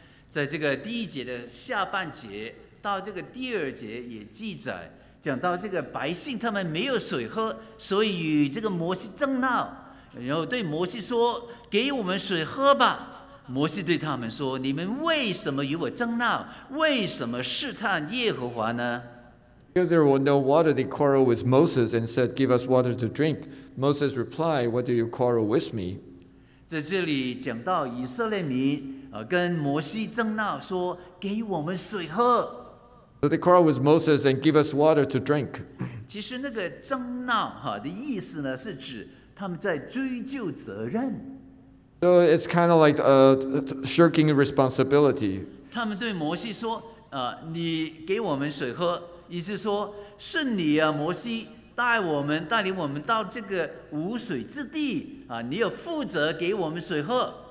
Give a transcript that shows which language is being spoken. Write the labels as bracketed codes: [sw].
[zh] 在这个第一节的下半节到这个第二节也记载，讲到这个百姓他们没有水喝，所以与这个摩西争闹，然后对摩西说：“给我们水喝吧。” 摩西对他们说：“你们为什么与我争闹？为什么试探耶和华呢？” [en] Because there was no water, they quarreled with Moses and said, "Give us water to drink." Moses replied, "What do you quarrel with me?" [zh] 在这里讲到以色列民跟摩西争闹，说：“给我们水喝。” [en] So they quarreled with Moses and give us water to drink. [zh] 其实那个争闹的意思呢，是指他们在追究责任。 [en] So it's kind of like shirking responsibility. [zh] 他们对摩西说：“你给我们水喝，意思说是你啊，摩西带领我们到这个无水之地啊，你要负责给我们水喝。”